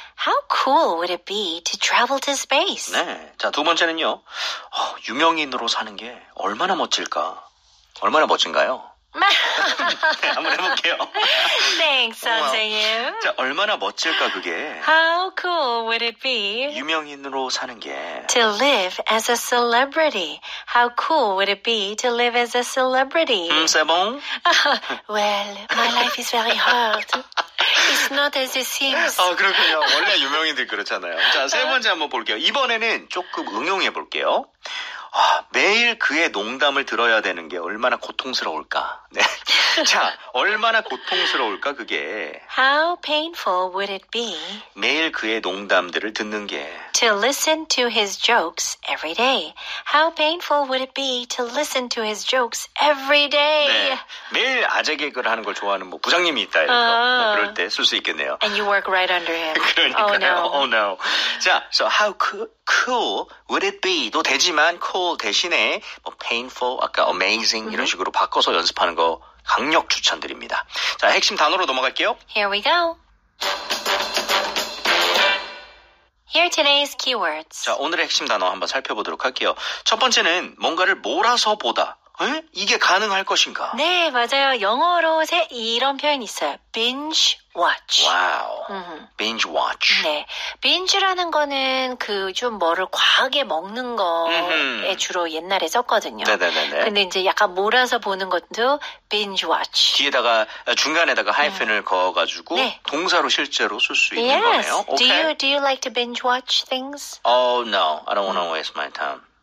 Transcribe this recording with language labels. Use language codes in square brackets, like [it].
[en] How cool would it be to travel to space? [ko] 네. 자, 두 번째는요. 아, 유명인으로 사는 게 얼마나 멋질까? 얼마나 멋진가요? 네, 한번 해볼게요. [en] Thanks, [ko] 선생님. 자, 얼마나 멋질까 그게? [en] How cool would it be? [ko] 유명인으로 사는 게. [en] To live as a celebrity. How cool would it be to live as a celebrity? [ko] 세 번. [en] Well, my life is very hard. It's not as it seems. [ko] 아, 그렇군요. 원래 유명인들 그렇잖아요. 자, 세 번째 한번 볼게요. 이번에는 조금 응용해 볼게요. 아, 매일 그의 농담을 들어야 되는 게 얼마나 고통스러울까? 네. 자, 얼마나 고통스러울까 그게? [en] How painful would it be? [ko] 매일 그의 농담들을 듣는 게. [en] To listen to his jokes every day. How painful would it be to listen to his jokes every day? [ko] 네. 매일 아재 개그를 하는 걸 좋아하는 뭐 부장님이 있다 해서 그럴 때 쓸 수 있겠네요. [en] And you work right under him. [ko] 그러니까요. [en] Oh no. Oh no. 자, so how cool would it be? [ko] 도 되지만 cool 대신에 뭐 painful, 아까 amazing 이런 식으로 바꿔서 연습하는 거 강력 추천드립니다. 자, 핵심 단어로 넘어갈게요. [en] Here we go. Here are today's keywords. [ko] 자, 오늘의 핵심 단어 한번 살펴보도록 할게요. 첫 번째는 뭔가를 몰아서 보다. 에? 이게 가능할 것인가? 네, 맞아요. 영어로 이런 표현이 있어요. [en] Binge watch. 와우. Binge watch. [ko] 네. Binge라는 거는 그 좀 뭐를 과하게 먹는 거에 주로 옛날에 썼거든요. 네네네. 근데 이제 약간 몰아서 보는 것도 binge watch. 뒤에다가 중간에다가 하이픈을 거어가지고 네. 동사로 실제로 쓸 수 있는 [en] yes. [ko] 거네요. [en] Okay. Do you like to binge watch things? Oh, no. I don't want to waste my time.